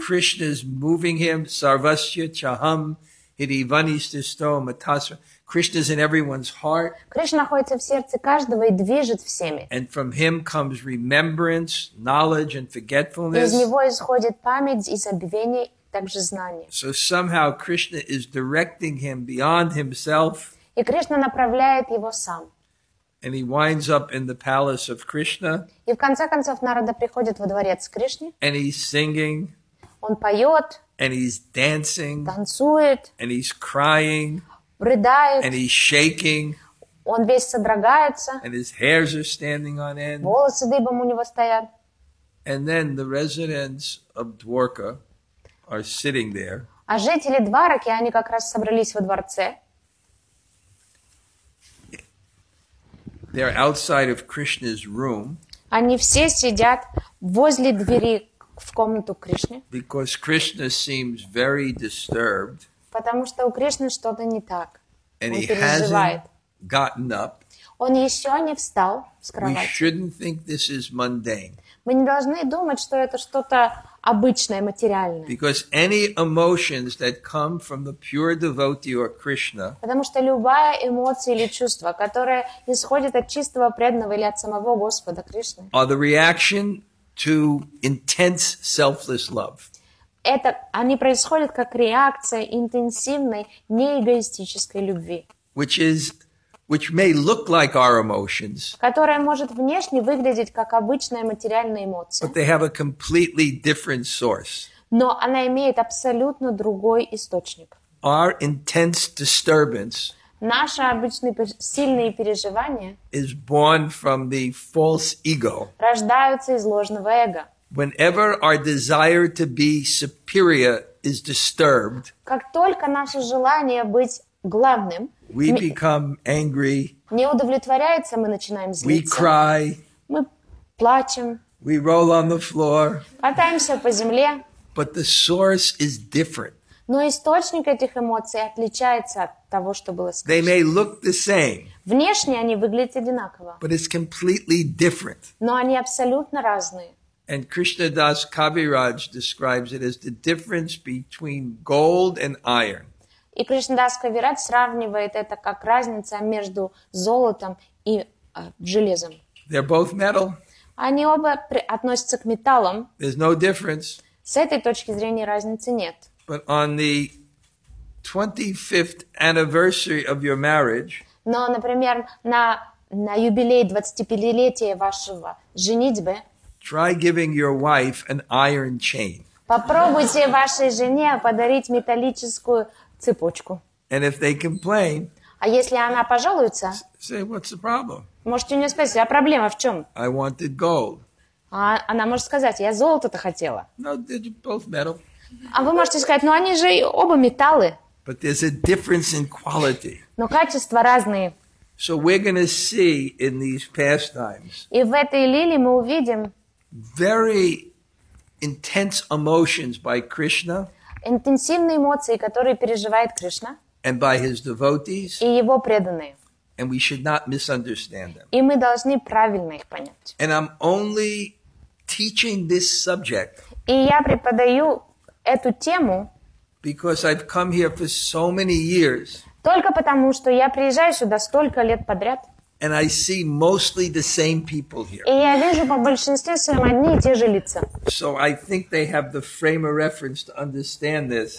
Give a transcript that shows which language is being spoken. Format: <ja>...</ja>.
<en>Krishna is moving him,</en> <sa>sarvasya chaham, hidivanististo, matasva.</sa> <en>Krishna is in everyone's heart.</en> <ru>Кришна находится в сердце каждого и движет всеми.</ru> <en>And from him comes remembrance, knowledge and forgetfulness.</en> <ru>Из него исходит память и забвение, также знание.</ru> <en>So somehow Krishna is directing him beyond himself.</en> <ru>И Кришна направляет его сам.</ru> <en>And he winds up in the palace of Krishna.</en> <ru>И в конце концов Нарада приходит во дворец Кришны.</ru> <en>And he's singing.</en> <ru>Он поет.</ru> <en>And he's dancing.</en> <ru>Танцует.</ru> <en>And he's crying.</en> <ru>Рыдает.</ru> <en>And he's shaking.</en> <ru>Он весь содрогается.</ru> <en>And his hairs are standing on end.</en> <ru>Волосы дыбом у него стоят.</ru> <en>And then the residents of Dwarka are sitting there.</en> <ru>А жители Двараки, они как раз собрались во дворце.</ru> <en>They're outside of Krishna's room.</en> <ru>Они все сидят возле двери в комнату Кришны.</ru> <en>Because Krishna seems very disturbed.</en> <ru>Потому что у Кришны что-то не так.</ru> <en>And</en> <ru>Он</ru> <en>he</en> <ru>переживает.</ru> <en>Hasn't gotten up.</en> <ru>Он еще не встал с кровати.</ru> <en>We shouldn't think this is mundane.</en> <ru>Мы не должны думать, что это что-то обычное, материальное.</ru> <en>Because any emotions that come from the pure devotee or Krishna.</en> <ru>Потому что любая эмоция или чувство, которое исходит от чистого преданного или от самого Господа Кришны.</ru> <en>Are the reaction to intense selfless love.</en> <ru>Это они происходят как реакция интенсивной неэгоистической любви.</ru> <en>Which is Which may look like our emotions,</en> <ru>которая может внешне выглядеть как обычная материальная эмоция,</ru> <en>but they have a completely different source.</en> <ru>Но она имеет абсолютно другой источник.</ru> <en>Our intense disturbance,</en> <ru>наши обычные сильные переживания,</ru> <en>is born from the false ego.</en> <ru>Рождаются из ложного эго.</ru> <en>Whenever our desire to be superior is disturbed,</en> <ru>как только наше желание быть главным,</ru> <en>we become angry.</en> <ru>Не удовлетворяется, мы начинаем злиться.</ru> <en>We cry.</en> <ru>Мы плачем.</ru> <en>We roll on the floor.</en> <ru>Катаемся по земле.</ru> <en>But the source is different.</en> <ru>Но источник этих эмоций отличается от того, что было сказано.</ru> <en>They may look the same.</en> <ru>Внешне они выглядят одинаково.</ru> <en>But it's completely different.</en> <ru>Но они абсолютно разные.</ru> <en>And Krishna Das Kaviraj describes it as the difference between gold and iron.</en> <ru>И Кришнадас Кавирадж сравнивает это как разница между золотом и железом.</ru> <en>They're both metal.</en> <ru>Они оба относятся к металлам.</ru> <en>There's no difference.</en> <ru>С этой точки зрения разницы нет.</ru> <en>But on the 25th anniversary of your marriage,</en> <ru>но, например, на юбилей 25-летия вашего женитьбы,</ru> <en>try giving your wife an iron chain.</en> <ru>Попробуйте вашей жене подарить металлическую цепочку.</ru> <en>And if they complain,</en> <ru>а если она пожалуется,</ru> <en>say, what's the problem?</en> <ru>Можете у нее спросить, а проблема в чем?</ru> <en>I wanted gold.</en> <ru>А она может сказать, я золото-то хотела.</ru> <en>No, they're both metal.</en> <ru>А вы можете сказать, ну они же оба металлы.</ru> <en>But there's a difference in quality.</en> <ru>Но качества разные.</ru> <en>So we're gonna see in these pastimes,</en> <ru>и в этой лиле мы увидим</ru> <en>very intense emotions by Krishna.</en> <ru>Интенсивные эмоции, которые переживает Кришна.</ru> <en>And by his devotees.</en> <ru>И его преданные.</ru> <en>And we should not misunderstand them.</en> <ru>И мы должны правильно их понять.</ru> <en>And I'm only teaching this subject.</en> <ru>И я преподаю эту тему.</ru> <en>Because I've come here for so many years.</en> <ru>Только потому, что я приезжаю сюда столько лет подряд.</ru> <en>And I see mostly the same people here.</en> <ru>И я вижу по большинстве своем одни и те же лица.</ru> <en>So I think they have the frame of reference to understand this.</en>